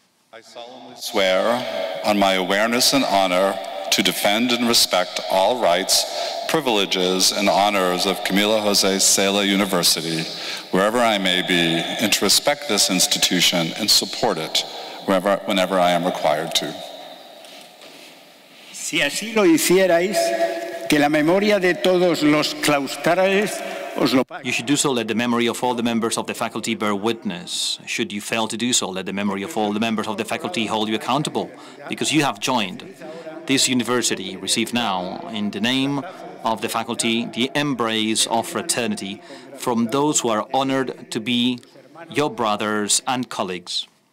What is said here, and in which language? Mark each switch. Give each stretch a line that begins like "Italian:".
English: I solemnly swear on my awareness and honor to defend and respect all rights, privileges, and honors of Camilo José Cela University, wherever I may be, and to respect this institution and support it whenever I am required to.
Spanish: Si así lo hicierais, que la memoria de todos los claustrares os lo pague.
English: You should do so, let the memory of all the members of the faculty bear witness. Should you fail to do so, let the memory of all the members of the faculty hold you accountable, because you have joined this university. Receive now, in the name of the faculty, the embrace of fraternity from those who are honored to be your brothers and colleagues.